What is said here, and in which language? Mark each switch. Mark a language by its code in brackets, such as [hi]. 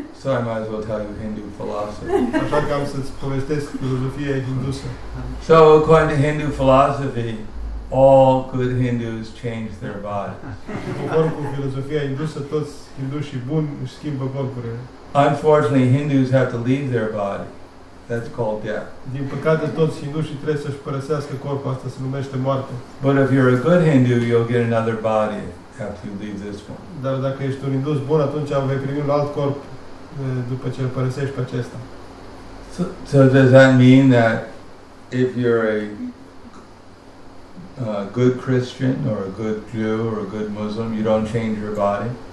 [en] So I might as well tell you Hindu philosophy. [ro] Așa că am să-ți povestesc filozofia hindusă. [en] So according to Hindu philosophy, all good Hindus change their bodies. [ro] Conform cu filozofia hindusă, toți hindușii buni își schimbă corpurile. [en] Unfortunately, Hindus have to leave their body. That's called death. [ro] Din păcate, toți hindușii trebuie să-și părăsească corpul. Asta se numește moarte. [en] But if you're a good Hindu, you'll get another body after you leave this one. [ro] Dar dacă ești un hindus bun, atunci vei primi un alt corp după ce îl părăsești pe acesta. [en] So does that mean that if you're a good Christian or a good Jew or a good Muslim, you don't change your body?